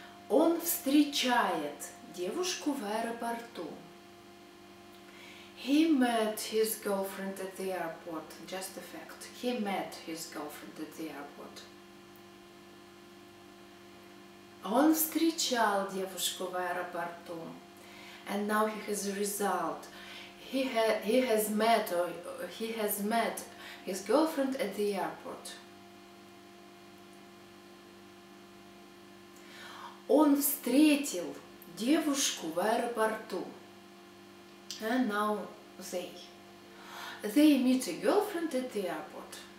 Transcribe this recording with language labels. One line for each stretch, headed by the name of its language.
Russian: Он встречает девушку в аэропорту.
English: He met his girlfriend at the airport. Just a fact. He met his girlfriend at the airport.
Russian: Он встречал девушку в аэропорту.
English: And now he has a result. He has met his girlfriend at the airport.
Russian: Он встретил девушку в аэропорту.
English: And now they. They meet a girlfriend at the airport.